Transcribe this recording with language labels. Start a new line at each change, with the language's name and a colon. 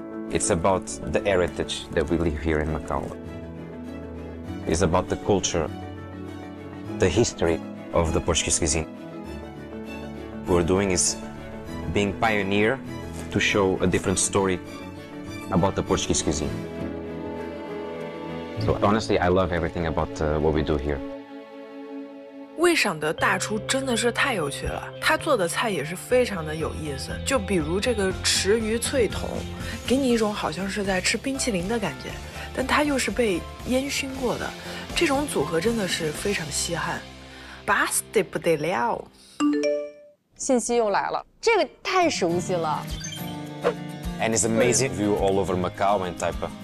English: It's about the heritage that we live here in Macau. It's about the culture, the history of the Portuguese cuisine. What we're doing is being pioneer to show a different story about the Portuguese cuisine. So honestly, I love everything about what we do here.
Chinese: 魏赏的大厨真的是太有趣了，他做的菜也是非常的有意思，就比如这个池鱼脆筒，给你一种好像是在吃冰淇淋的感觉，但它又是被烟熏过的，这种组合真的是非常稀罕，巴适得不得了。信息又来了，这个太熟悉了。
English: And it's amazing view all over Macau and Taipa.